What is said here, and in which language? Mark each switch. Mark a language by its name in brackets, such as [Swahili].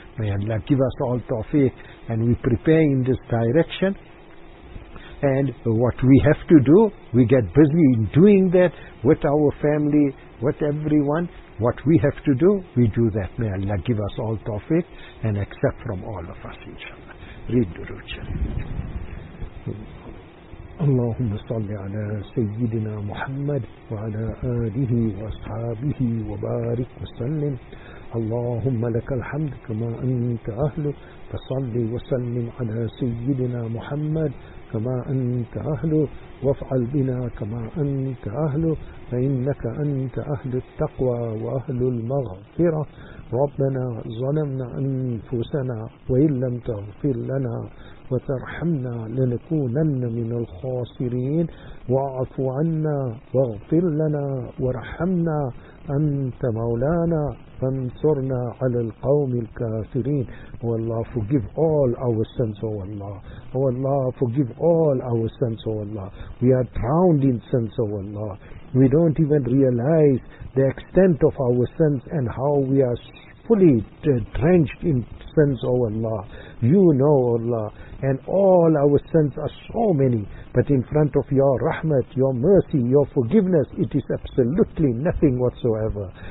[English] May Allah give us all tawfiq, and we prepare in this direction. And what we have to do, we get busy in doing that with our family, with everyone. What we have to do, we do that. May Allah give us all tawfiq and accept from all of us, inshallah. Read the ruchal. [Arabic] اللهم صل على سيدنا محمد وعلى آله وأصحابه وبارك وسلم اللهم لك الحمد كما أنت أهله فصل وسلم على سيدنا محمد كما أنت أهله وافعل بنا كما أنت أهله فإنك أنت أهل التقوى وأهل المغفرة ربنا ظلمنا أنفسنا وإن لم تغفر لنا وترحمنا لنكونن من الخاسرين واعف عنا واغفر لنا وارحمنا أنت مولانا فانصرنا على القوم الكافرين [English] Oh Allah, forgive all our sins, oh Allah. Oh Allah, forgive all our sins, oh Allah. We are drowned in sins, oh Allah. We don't even realize the extent of our sins and how we are fully drenched in sins, oh Allah. You know, oh Allah, and all our sins are so many, but in front of your rahmat, your mercy, your forgiveness, it is absolutely nothing whatsoever.